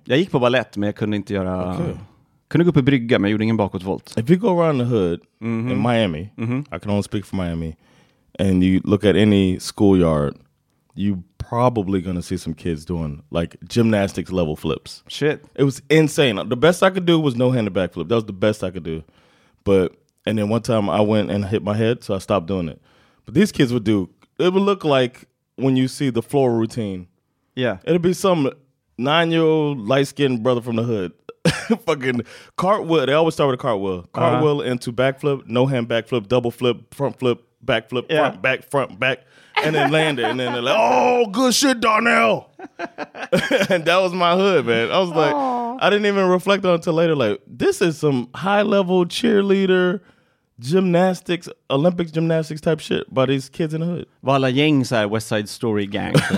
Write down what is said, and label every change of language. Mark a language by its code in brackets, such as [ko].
[sv] Jag gick på ballett, men jag kunde inte göra... Okay. Kunde gå upp i brygga, men jag gjorde ingen bakåtvolt. [en] If you go around the hood in Miami, I can only speak for Miami, and you look at any schoolyard... You probably gonna see some kids doing like gymnastics level flips. Shit. It was insane. The best I could do was no handed back flip. That was the best I could do. But, and then one time I went and hit my head, so I stopped doing it. But these kids would do, it would look like when you see the floor routine. Yeah. It'd be some 9-year-old light skinned brother from the hood. Fucking cartwheel. They always start with a cartwheel. Cartwheel into backflip, no hand backflip, double flip, front flip, backflip, yeah. Front, back, front, back. And then land it. And then they're like, oh, good shit, Darnell. And that was my hood, man. I was like, aww. I didn't even reflect on it until later. Like, this is some high-level cheerleader, gymnastics, Olympics gymnastics type shit by these kids in the hood. [sv] Valla gäng så här, West Side Story gang.